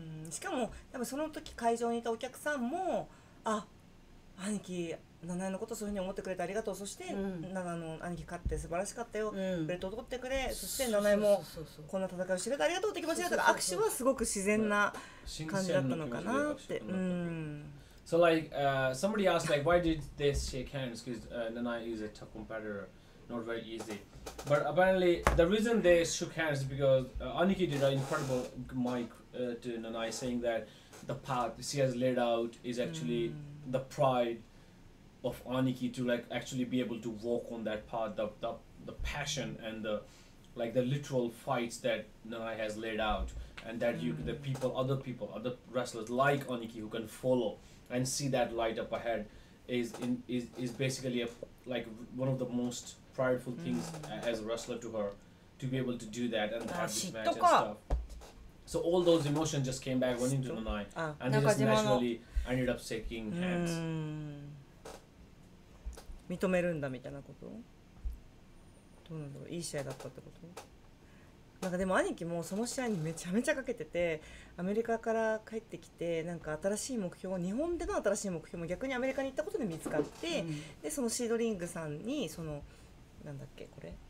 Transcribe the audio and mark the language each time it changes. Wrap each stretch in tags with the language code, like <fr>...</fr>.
<ja>しかも多分その時会場にいたお客さんも、あ兄貴七重のことそういうふうに思ってくれてありがとう、そして、の兄貴勝って素晴らしかったよ、ベルトを取ってくれ、そして七重もこんな戦いを知れてありがとうって気持ちだったから、握手はすごく自然な感じだったのかなって。</ja> <en>So like somebody asked like why did they shake hands, because Nana is a tough competitor, not very easy, but apparently the reason they shook hands is because Aniki did an incredible micto Nanai, saying that the path she has laid out is actually the pride of Aniki to like actually be able to walk on that path, the passion and the like the literal fights that Nanai has laid out, and that you the people, other people, other wrestlers like Aniki who can follow and see that light up ahead is basically a, like one of the most prideful things as a wrestler to her, to be able to do that and have this match and stuff. So all those emotions just came back, went into the night, and just naturally ended up shaking hands.</en> <ja>認めるんだみたいなこと？どうなんだろう、いい試合だったってこと？なんかでも兄貴もその試合にめちゃめちゃかけてて、アメリカから帰ってきて、なんか新しい目標、日本での新しい目標も逆にアメリカに行ったことで見つかって、でそのシードリングさんにそのなんだっけこれ？</ja>